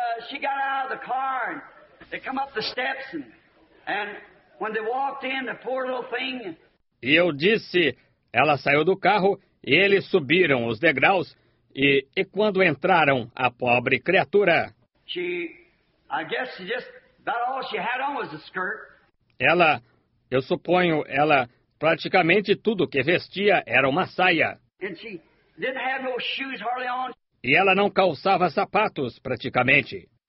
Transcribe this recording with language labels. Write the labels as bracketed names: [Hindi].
[English] She got out of the car and they come up the steps and when they walked in the poor little thing. [Portuguese] E eu disse, ela saiu do carro e eles subiram os degraus e quando entraram a pobre criatura. [English] I guess she just about all she had on was a skirt. [Portuguese] Ela, eu suponho, ela praticamente tudo que vestia era uma saia. [English] And she didn't have no shoes hardly on. [Portuguese] E ela não calçava sapatos praticamente.